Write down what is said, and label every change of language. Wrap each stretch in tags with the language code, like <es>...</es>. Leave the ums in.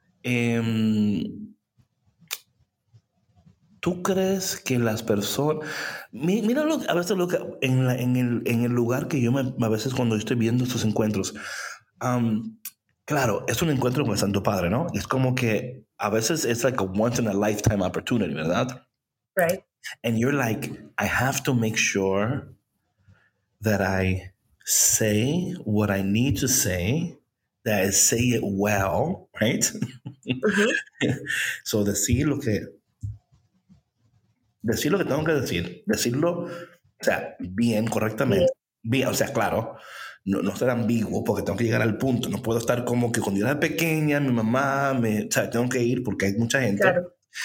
<es>eh, ¿Tú crees que las personas... Mira, lo, a veces lo que, en, la, en, el, en, el, lugar que yo me, a veces cuando estoy viendo estos encuentros, um, claro, es un encuentro con el Santo Padre, ¿no? Es como que a veces es</es> <en>like a once in a lifetime opportunity,</en> <es>¿verdad?</es> <en>Right. And you're like, I have to make sure that I say what I need to say, that I say it well, right? Uh -huh.</en> <es>so decir lo que decir lo que tengo que decir, decirlo, o sea, bien, correctamente, bien, o sea, claro. No, no ser ambiguo porque tengo que llegar al punto. No puedo estar como que cuando yo era pequeña, mi mamá, me, o sea, tengo que ir porque hay mucha gente. Claro.</es>